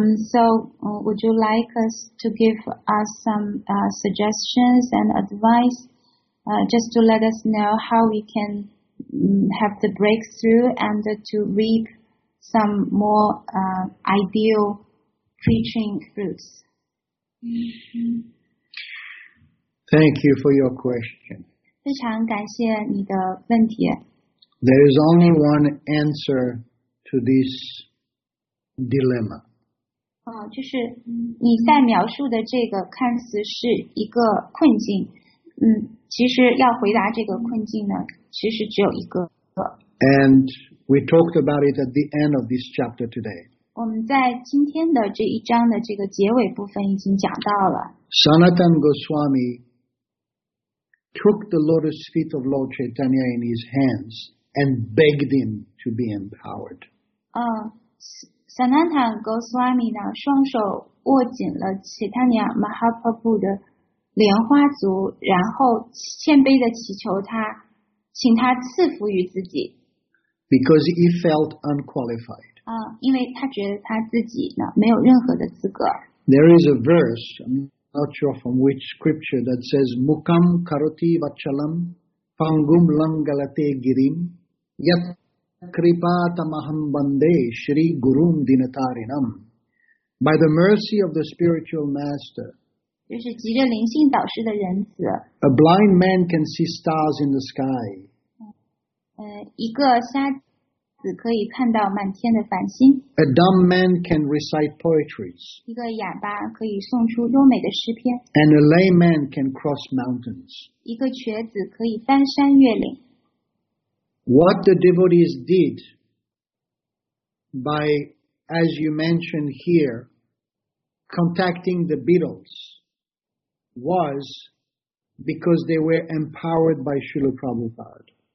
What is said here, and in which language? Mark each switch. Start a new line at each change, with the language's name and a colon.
English: So would you like us to give us some suggestions and advice just to let us know how we can have the breakthrough and to reap some more ideal preaching fruits? Thank you for your question.
Chinese: 非常感谢你的问题。
English: There is only one answer to this dilemma.
Chinese: 就是你在描述的这个看似是一个困境，其实要回答这个困境呢，其实只有一个。
English: And we talked about it at the end of this chapter today.
Chinese: 我们在今天的这一章的这个结尾部分已经讲到了。
English: Sanatan Goswami took the lotus feet of Lord Chaitanya in his hands and begged him to be empowered.
Chinese: Sanatan Goswami 呢，双手握紧了 Chaitanya Mahaprabhu 的莲花足，然后谦卑地祈求他，请他赐福于自己。
English: Because he felt unqualified.
Chinese: 因为他觉得他自己呢没有任何的资格。
English: There is a verse, I'm not sure from which scripture, that says,
Sanskrit: "Mukam karoti vachalam, pangum langalate girim, yat kripata mahambande shri gurum dinatarinam."
English: By the mercy of the spiritual master.
Chinese: 就是极乐灵性导师的仁慈。
English: A blind man can see stars in the sky.
Chinese: 一个瞎子可以看到满天的繁星。
English: A dumb man can recite poetry.
Chinese: 一个哑巴可以诵出优美的诗篇。
English: And a layman can cross mountains.
Chinese: 一个瘸子可以翻山越岭。
English: What the devotees did by, as you mentioned here, contacting the Beatles was because they were empowered by Srila Prabhupada.